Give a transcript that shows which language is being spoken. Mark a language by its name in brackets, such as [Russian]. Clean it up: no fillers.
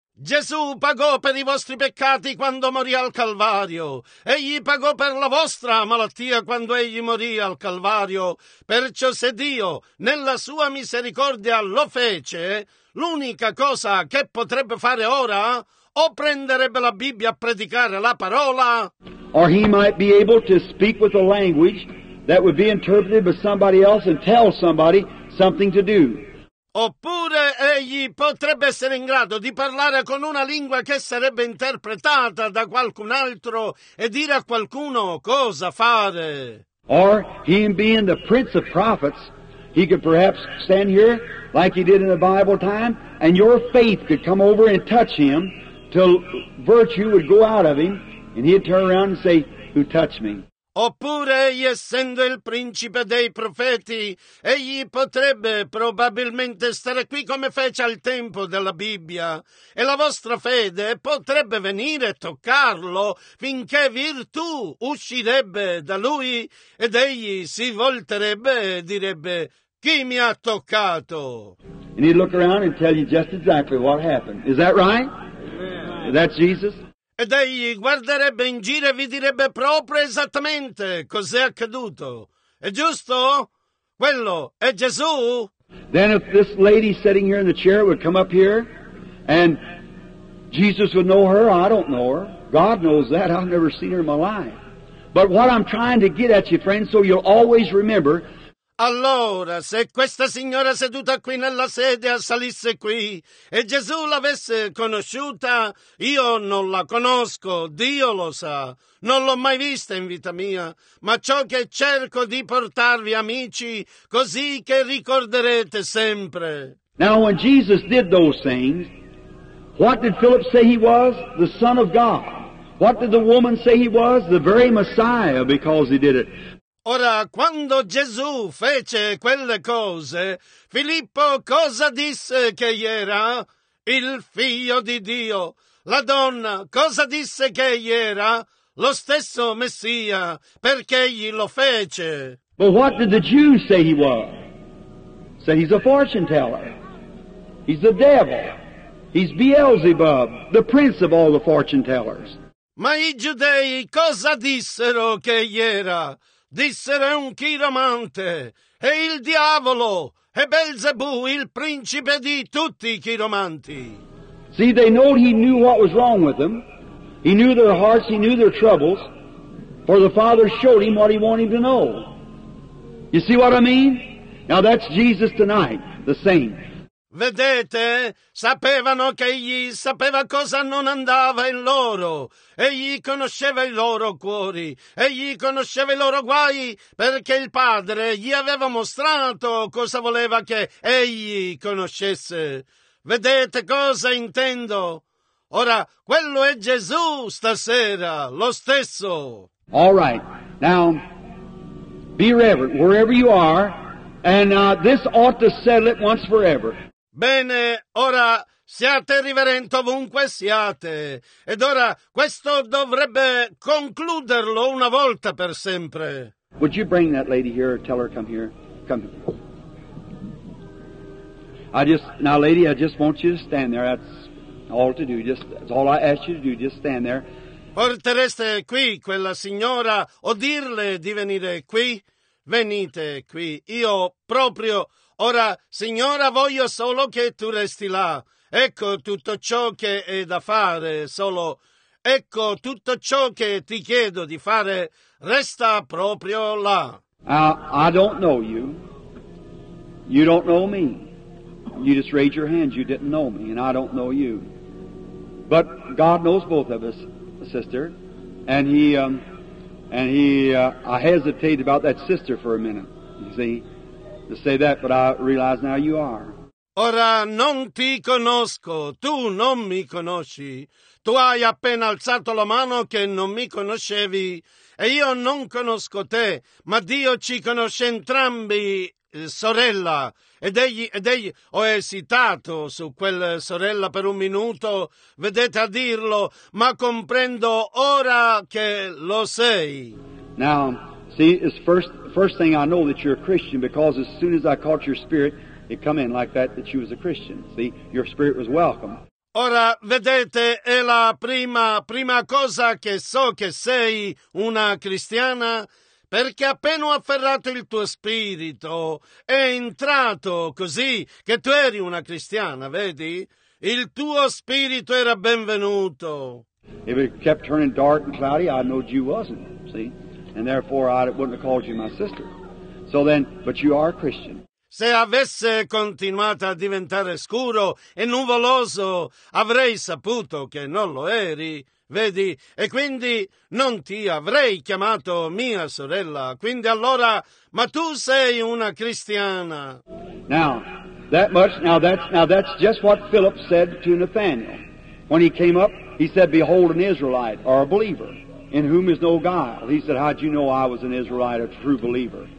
[Italian] Gesù pagò per i vostri peccati quando morì al Calvario. Egli pagò per la vostra malattia quando egli morì al Calvario. Perciò se Dio, nella sua misericordia, lo fece, l'unica cosa che potrebbe fare ora, o prenderebbe la Bibbia a predicare la parola, [English] or he might be able to speak with a language that would be interpreted by somebody else and tell somebody something to do. [Italian] Oppure egli potrebbe essere in grado di parlare con una lingua che sarebbe interpretata da qualcun altro e dire a qualcuno cosa fare. [English] Or, him being the prince of prophets, he could perhaps stand here like he did in the Bible time, and your faith could come over and touch him till virtue would go out of him, and he'd turn around and say, "Who touched me?" [Italian] Oppure, egli essendo il principe dei profeti, egli potrebbe probabilmente stare qui come fece al tempo della Bibbia, e la vostra fede potrebbe venire e toccarlo finché virtù uscirebbe da lui, ed egli si volterebbe e direbbe, chi mi ha toccato? [English] And he'd look around and tell you just exactly what happened. Is that right? Is that Jesus? [Italian] Ed egli guarderebbe in giro e vi direbbe proprio esattamente cos'è accaduto. È giusto? Quello è Gesù. [English] Then if this lady sitting here in the chair would come up here and Jesus would know her, I don't know her. God knows that. I've never seen her in my life. But what I'm trying to get at you, friend, so you'll always remember. [Italian] Allora, se questa signora seduta qui nella sedia salisse qui e Gesù l'avesse conosciuta, io non la conosco, Dio lo sa. Non l'ho mai vista in vita mia, ma ciò che cerco di portarvi, amici, così che ricorderete sempre. [English] Now, when Jesus did those things, what did Philip say he was? The Son of God. What did the woman say he was? The very Messiah, because he did it. [Italian] Ora, quando Gesù fece quelle cose, Filippo cosa disse che egli era? Il figlio di Dio. La donna cosa disse che egli era? Lo stesso Messia, perché egli lo fece. [English] But what did the Jews say he was? Say he's a fortune teller. He's the devil. He's Beelzebub, the prince of all the fortune tellers. [Italian] Ma i giudei cosa dissero che egli era? Dissero un chiromante, e il diavolo, e Belzebù, il principe di tutti i chiromanti. [English] See, they know he knew what was wrong with them. He knew their hearts, he knew their troubles, for the Father showed him what he wanted to know. You see what I mean? Now that's Jesus tonight, the same. [Italian] Vedete, sapevano che egli sapeva cosa non andava in loro. Egli conosceva i loro cuori, egli conosceva i loro guai, perché il Padre gli aveva mostrato cosa voleva che egli conoscesse. Vedete cosa intendo? Ora, quello è Gesù stasera, lo stesso. [English] All right, now, be reverent wherever you are, and this ought to settle it once forever. [Italian] Bene, ora siate riverenti ovunque siate. Ed ora questo dovrebbe concluderlo una volta per sempre. [English] Would you bring that lady here, tell her come here? Come. Now, lady, I just want you to stand there. That's all to do. That's all I ask you to do. Just stand there. [Italian] Portereste qui quella signora o dirle di venire qui? Venite qui. Io proprio. Ora, signora, voglio solo che tu resti là. Ecco tutto ciò che è da fare, solo. Ecco tutto ciò che ti chiedo di fare. Resta proprio là. [English] I don't know you. You don't know me. You just raised your hand. You didn't know me, and I don't know you. But God knows both of us, sister. And I hesitated about that sister for a minute, you see, to say that, but I realize now you are. [Italian] Ora non ti conosco, tu non mi conosci. Tu hai appena alzato la mano che non mi conoscevi, e io non conosco te, ma Dio ci conosce entrambi, sorella. Ed egli, ho esitato su quella sorella per un minuto, vedete a dirlo, ma comprendo ora che lo sei. [English] Now, see, it's first thing I know that you're a Christian, because as soon as I caught your spirit, it come in like that you was a Christian. See, your spirit was welcome. [Italian] Ora, vedete, è la prima cosa che so che sei una cristiana, perché appena ho afferrato il tuo spirito, è entrato così che tu eri una cristiana, vedi? Il tuo spirito era benvenuto. [English] If it kept turning dark and cloudy, I knew you wasn't, see? And therefore I wouldn't have called you my sister. So then, but you are a Christian. [Italian] Se avesse continuato a diventare scuro e nuvoloso, avrei saputo che non lo eri, vedi? E quindi non ti avrei chiamato mia sorella. Quindi allora, ma tu sei una cristiana. [English] Now that's just what Philip said to Nathanael. When he came up, he said, "Behold an Israelite," or a believer, "in whom is no guile." He said, "How'd you know I was an Israelite, a true believer?"